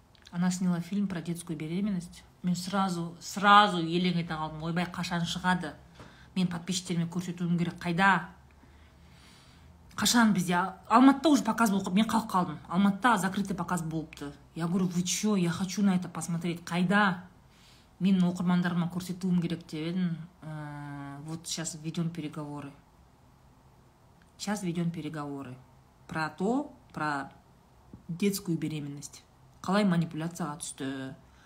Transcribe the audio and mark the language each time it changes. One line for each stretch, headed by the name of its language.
Russian: Она сняла фильм про детскую беременность.
Kazakh: Мен сразу елең ете қалдым. Ойбай, қашан шығады? Мен подписчиктеріме көрсетуім керек. Қайда? Қашан бізде? Алматыда уже показ болып, мен қалып қалдым. Алматыда закрытый показ болыпты.
Russian: Я говорю, вы чё? Я хочу на это посмотреть.
Kazakh: Қайда? Мен оқырмандарыма көрсетуім керек деп едім.
Russian: Вот сейчас ведем переговоры. Сейчас ведем переговоры. Про то, про детскую беременность.
Kazakh: Қалай манипуляцияға түсті?